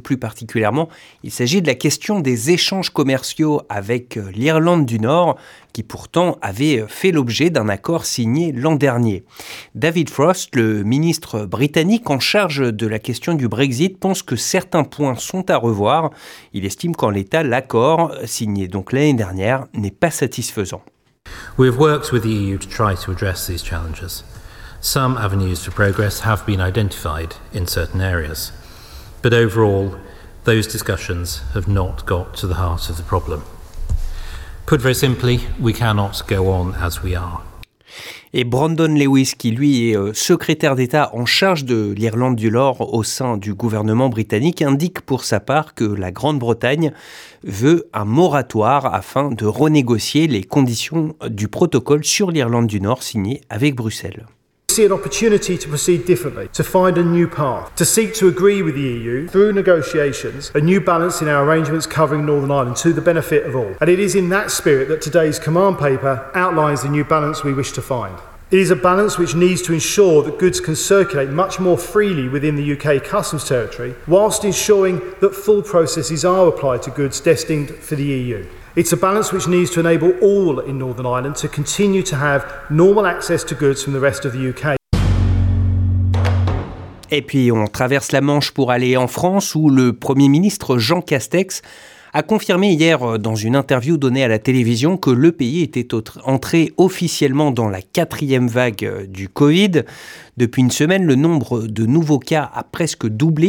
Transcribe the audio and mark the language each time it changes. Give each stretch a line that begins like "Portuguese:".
French: Plus particulièrement, il s'agit de la question des échanges commerciaux avec l'Irlande du Nord, qui pourtant avait fait l'objet d'un accord signé l'an dernier. David Frost, le ministre britannique en charge de la question du Brexit, pense que certains points sont à revoir. Il estime qu'en l'état, l'accord signé donc l'année dernière n'est pas satisfaisant.
English: We've worked with the EU to try to address these challenges. Some avenues for progress have been identified in certain areas. But overall, those discussions have not got to the heart of the problem. Put very simply, we cannot go on as we are.
French: Et Brandon Lewis, qui lui est secrétaire d'État en charge de l'Irlande du Nord au sein du gouvernement britannique, indique pour sa part que la Grande-Bretagne veut un moratoire afin de renégocier les conditions du protocole sur l'Irlande du Nord signé avec Bruxelles.
English: see an opportunity to proceed differently, to find a new path, to seek to agree with the EU through negotiations, a new balance in our arrangements covering Northern Ireland to the benefit of all. And it is in that spirit that today's command paper outlines the new balance we wish to find. It is a balance which needs to ensure that goods can circulate much more freely within the UK customs territory, whilst ensuring that full processes are applied to goods destined for the EU. It's a balance which needs to enable all in Northern Ireland to continue to have normal access to goods from the rest of the UK.
French: Et puis on traverse la Manche pour aller en France où le Premier ministre Jean Castex a confirmé hier dans une interview donnée à la télévision que le pays était entré officiellement dans la quatrième vague du Covid. Depuis une semaine, le nombre de nouveaux cas a presque doublé.